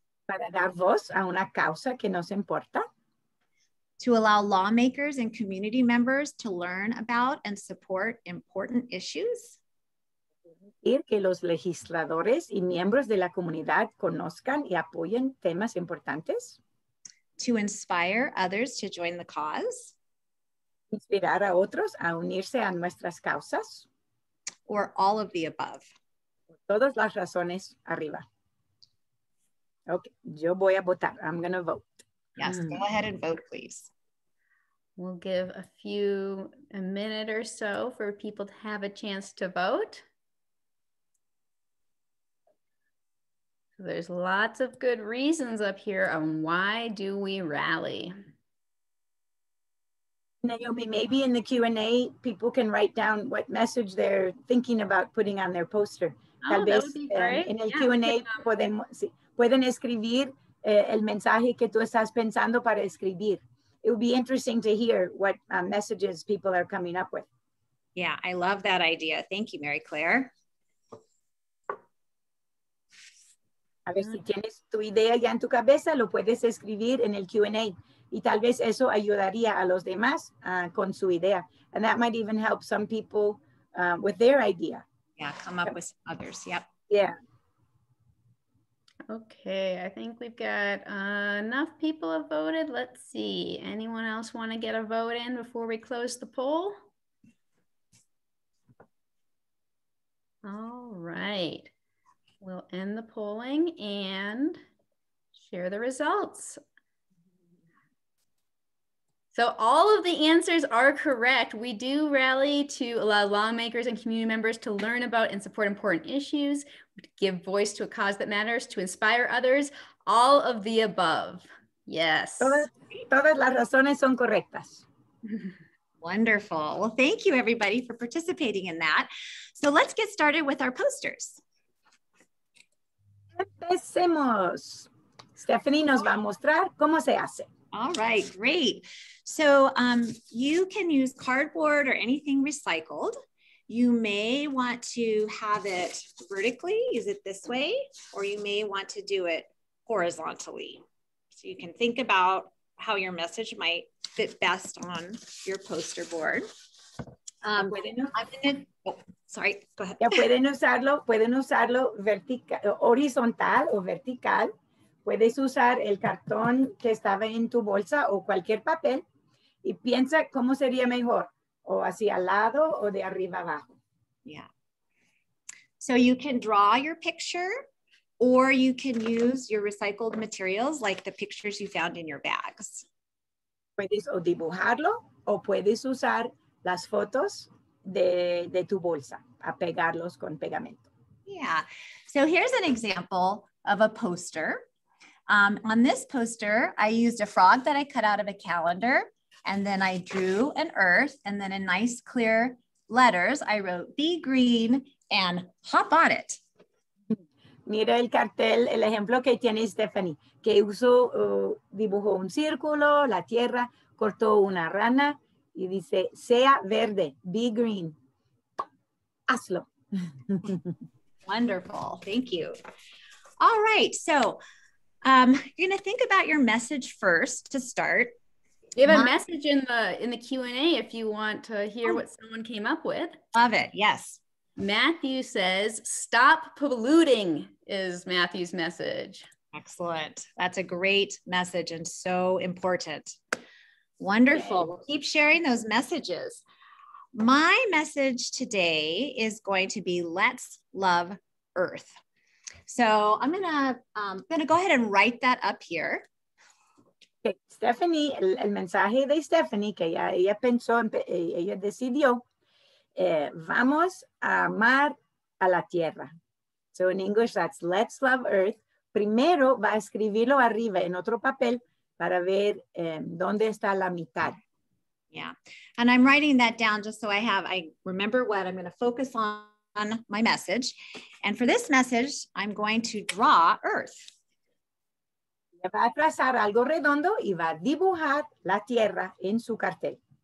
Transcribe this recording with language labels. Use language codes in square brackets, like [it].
[es] ¿Para dar voz a una causa que nos importa? [en] To allow lawmakers and community members to learn about and support important issues? [es] Permitir que los legisladores y miembros de la comunidad conozcan y apoyen temas importantes? [en] To inspire others to join the cause? [es] Inspirar a otros a unirse a nuestras causas. [en] Or all of the above. [es] Todas las razones arriba. Okay, yo voy a votar. [en] I'm going to vote. Yes, go ahead and vote, please. We'll give a minute or so for people to have a chance to vote. So there's lots of good reasons up here on why do we rally. Naomi, maybe in the Q&A, people can write down what message they're thinking about putting on their poster. [es] tal vez en el Q&A pueden escribir el mensaje que tú estás pensando para escribir. [en] It would be interesting to hear what messages people are coming up with. Yeah, I love that idea. Thank you, Mary Claire. [es] A ver si tienes tu idea ya en tu cabeza, lo puedes escribir en el Q&A. Y tal vez eso ayudaría a los demás con su idea. [en] And that might even help some people with their idea. Yeah, come up with some others. Yep. Yeah. Okay, I think we've got enough people have voted. Let's see. Anyone else want to get a vote in before we close the poll? All right. We'll end the polling and share the results. So all of the answers are correct. We do rally to allow lawmakers and community members to learn about and support important issues, give voice to a cause that matters, to inspire others, all of the above. Yes. [es] Todas las razones son correctas. [en] Wonderful. Well, thank you everybody for participating in that. So let's get started with our posters. [es] Empecemos. Stephanie nos va a mostrar cómo se hace. [en] All right, great. So you can use cardboard or anything recycled. You may want to have it vertically, use it this way, or you may want to do it horizontally. So you can think about how your message might fit best on your poster board. [es] Ya pueden usarlo horizontal o vertical. Puedes usar el cartón que estaba en tu bolsa o cualquier papel y piensa cómo sería mejor, o hacia al lado o de arriba abajo. [en] Yeah. So you can draw your picture or you can use your recycled materials like the pictures you found in your bags. [es] Puedes o dibujarlo o puedes usar las fotos de tu bolsa a pegarlos con pegamento. [en] Yeah. So here's an example of a poster. On this poster, I used a frog that I cut out of a calendar, and then I drew an earth, and then in nice clear letters, I wrote, be green and hop on it. [es] Mira el cartel, el ejemplo que tiene Stephanie, que usó, dibujó un círculo, la tierra, cortó una rana, y dice, sea verde, [en] be green, [es] hazlo. [en] Wonderful, thank you. All right, so... you're going to think about your message first to start. We have a message in the Q&A if you want to hear what someone came up with. Love it. Yes. Matthew says, stop polluting is Matthew's message. Excellent. That's a great message and so important. Wonderful. Okay. We'll keep sharing those messages. My message today is going to be let's love Earth. So I'm gonna go ahead and write that up here. [es] Okay, Stephanie, el mensaje de Stephanie, que ya ella pensó, ella decidió, vamos a amar a la tierra. [en] So in English, that's let's love earth. [es] Primero va a escribirlo arriba en otro papel para ver dónde está la mitad. [en] Yeah, and I'm writing that down just so I remember what I'm gonna focus on my message. And for this message, I'm going to draw Earth. [es] Va a trazar algo redondo y va a dibujar la tierra en su cartel.